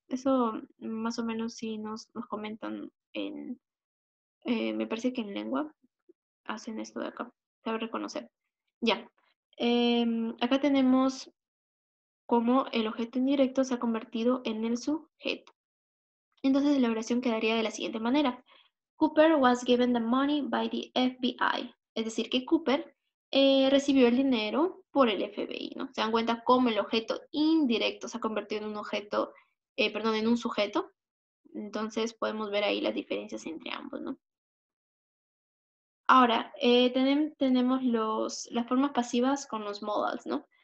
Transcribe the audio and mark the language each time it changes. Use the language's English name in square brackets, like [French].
[Spanish] Eso más o menos sí nos comentan en, me parece que en lengua hacen esto de acá. Saber reconocer. Ya. Acá tenemos cómo el objeto indirecto se ha convertido en el sujeto. Entonces la oración quedaría de la siguiente manera. [English] Cooper was given the money by the FBI. [Spanish] Es decir, que Cooper recibió el dinero por el FBI, ¿no? ¿Se dan cuenta cómo el objeto indirecto se ha convertido en un objeto, perdón, en un sujeto? Entonces podemos ver ahí las diferencias entre ambos, ¿no? Ahora, tenemos las formas pasivas con los modals, ¿no?